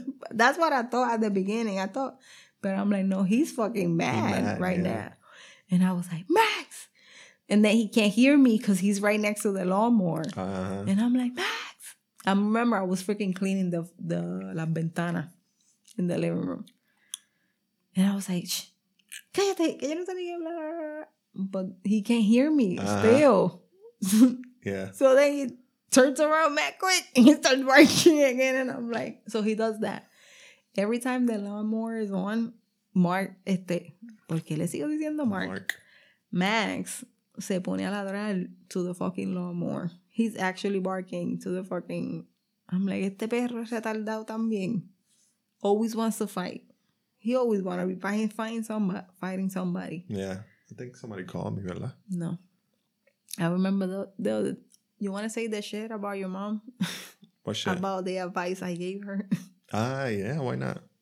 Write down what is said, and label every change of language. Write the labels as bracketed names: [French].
[English] That's what I thought at the beginning. But I'm like, no, he's fucking mad right now. And I was like, Max. And then he can't hear me because he's right next to the lawnmower. Uh-huh. And I'm like, Max. I remember I was freaking cleaning the [Spanish] la ventana [English] in the living room. And I was like, shh. [Spanish] Cállate, que yo no tenía que hablar. [English] But he can't hear me still. Yeah. So then he turns around, Max, quick. And he starts barking again. And I'm like, so he does that. Every time the lawnmower is on, Mark, [Spanish] ¿por qué le sigo diciendo Mark? Max se pone a ladrar [English] to the fucking lawnmower. He's actually barking to the fucking... I'm like, [Spanish] este perro retardado también. [English] Always wants to fight. He always want to be fighting somebody. Yeah. I think somebody called me, [Spanish] ¿verdad? [English] No. I remember the You want to say the shit about your mom? What shit? About the advice I gave her. Ah, yeah, why not?